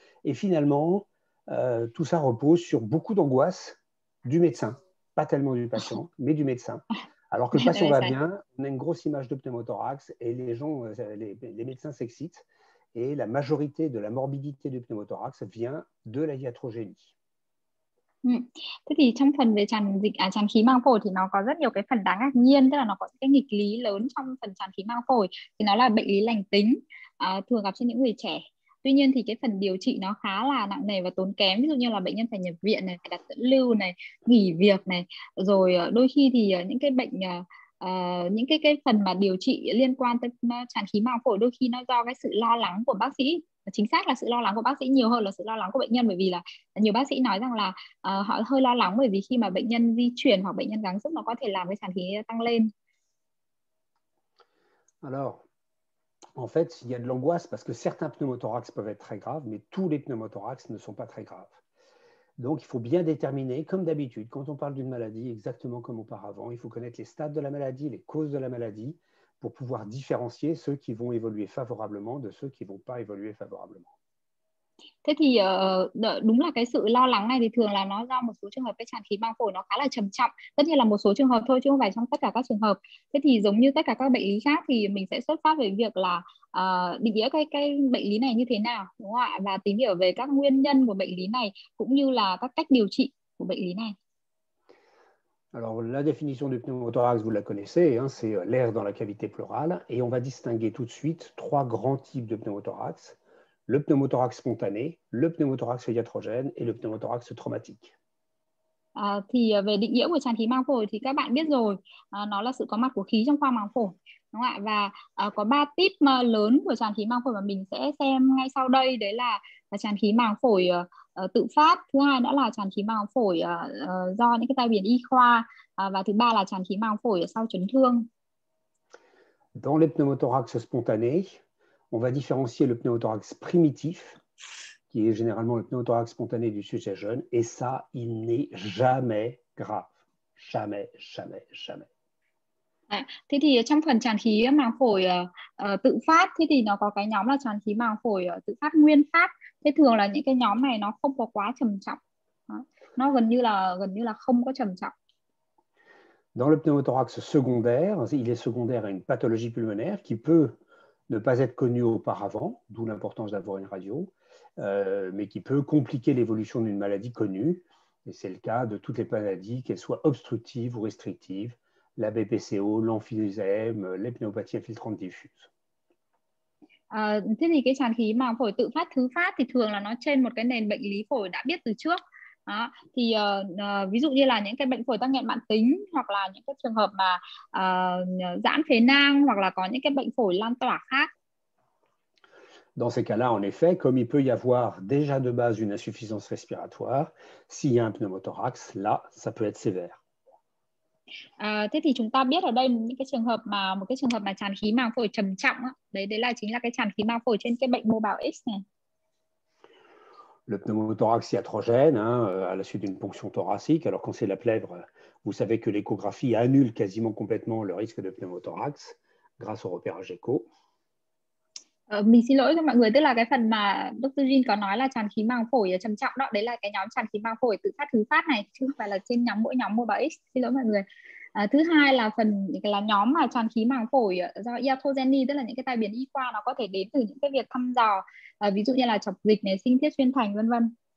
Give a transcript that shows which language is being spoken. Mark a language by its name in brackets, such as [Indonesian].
[French] Et finalement, tout ça repose sur beaucoup d'angoisse du médecin. Pas tellement du patient, mais du médecin. Alors que le patient va bien, on a une grosse image de pneumothorax et les gens, les médecins s'excitent. Et la majorité de la morbidité du pneumothorax vient de la iatrogénie. [Vietnamese] Thế thì trong phần về tràn khí màng phổi thì nó có rất nhiều cái phần đáng ngạc nhiên, tức là nó có cái nghịch lý lớn trong phần tràn khí màng phổi, thì nó là bệnh lý lành tính, thường gặp trên những người trẻ. Tuy nhiên thì cái phần điều trị nó khá là nặng nề và tốn kém, ví dụ như là bệnh nhân phải nhập viện này, phải đặt dẫn lưu này, nghỉ việc này, rồi đôi khi thì những cái bệnh những cái phần mà điều trị liên quan tới tràn khí màng phổi đôi khi nó do cái sự lo lắng của bác sĩ, chính xác là sự lo lắng của bác sĩ nhiều hơn là sự lo lắng của bệnh nhân, bởi vì là nhiều bác sĩ nói rằng là họ hơi lo lắng bởi vì khi mà bệnh nhân di chuyển hoặc bệnh nhân gắng sức nó có thể làm cái sản khí tăng lên. [French] Alors, en fait, il y a de l'angoisse parce que certains pneumothorax peuvent être très graves, mais tous les pneumothorax ne sont pas très graves. Donc, il faut bien déterminer, comme d'habitude, quand on parle d'une maladie, exactement comme auparavant, il faut connaître les stades de la maladie, les causes de la maladie, pour pouvoir différencier ceux qui vont évoluer favorablement de ceux qui ne vont pas évoluer favorablement. [Vietnamese] Thế thì đúng là cái sự lo lắng này thì thường là nó do một số trường hợp cái tràn khí màng phổi nó khá là trầm trọng, tất nhiên là một số trường hợp thôi chứ không phải trong tất cả các trường hợp. Thế thì giống như tất cả các bệnh lý khác thì mình sẽ xuất phát về việc là định nghĩa cái bệnh lý này như thế nào, đúng không ạ, và tìm hiểu về các nguyên nhân của bệnh lý này cũng như là các cách điều trị của bệnh lý này. [French] Alors, la définition du pneumothorax, vous la connaissez, hein, c'est l'air dans la cavité pleurale. Et on va distinguer tout de suite trois grands types de pneumothorax. Le pneumothorax spontané, le pneumothorax iatrogène et le pneumothorax traumatique. [Vietnamese] Thì về định nghĩa của tràn khí màng phổi thì các bạn biết rồi, nó là sự có mặt của khí trong khoang màng phổi. Đúng không ạ? Và có ba tip lớn của tràn khí màng phổi mà mình sẽ xem ngay sau đây. Đấy là tràn khí màng phổi tự phát, thứ hai nữa là tràn khí màng phổi do những cái tai biến y khoa và thứ ba là tràn khí màng phổi sau chấn thương. [French] Dans les pneumothorax spontanés, on va différencier le pneumothorax primitif, qui est généralement le pneumothorax spontané du sujet jeune, et ça, il n'est jamais grave, jamais, jamais, jamais. [Vietnamese] Thế thì trong phần tràn khí màng phổi tự phát, thế thì nó có cái nhóm là tràn khí màng phổi tự phát nguyên phát. Thế thường là những cái nhóm này nó không có quá trầm trọng. Nó gần như là không có trầm trọng. [French] Dans le pneumothorax secondaire, il est secondaire à une pathologie pulmonaire qui peut ne pas être connue auparavant, d'où l'importance d'avoir une radio, mais qui peut compliquer l'évolution d'une maladie connue. Et c'est le cas de toutes les maladies, qu'elles soient obstructives ou restrictives, la BPCO, l'emphysème, les pneumopathies infiltrantes diffuses. [Vietnamese] Thế thì cái tràn khí màng phổi tự phát thứ phát thì thường là nó trên một cái nền bệnh lý phổi đã biết từ trước. Đó. Thì ví dụ như là những cái bệnh phổi tắc nghẽn mãn tính hoặc là những cái trường hợp mà giãn phế nang hoặc là có những cái bệnh phổi lan tỏa khác. [French] Dans ces cas-là, en effet, comme il peut y avoir déjà de base une insuffisance respiratoire, s'il y a un pneumothorax, là, ça peut être sévère. [Vietnamese] Thế thì chúng ta biết ở đây những cái trường hợp mà một cái trường hợp mà tràn khí màng phổi trầm trọng á, đấy là chính là cái tràn khí màng phổi trên cái bệnh mô bào X này. [French] Le pneumothorax iatrogène, hein, à la suite d'une ponction thoracique, alors quand c'est la plèvre, vous savez que l'échographie annule quasiment complètement le risque de pneumothorax grâce au repérage écho. [Vietnamese] Mình xin lỗi cho mọi người, tức là cái phần mà Dr. Jin có nói là tràn khí màng phổi trầm trọng đó, đấy là cái nhóm tràn khí màng phổi tự phát thứ phát này, chứ không phải là trên nhóm mỗi nhóm mô bào X. Xin lỗi mọi người. Thứ hai là phần là nhóm mà tràn khí màng phổi do iatrogeny, tức là những cái tai biến y khoa, nó có thể đến từ những cái việc thăm dò, ví dụ như là chọc dịch này, sinh thiết xuyên thành, vân vân.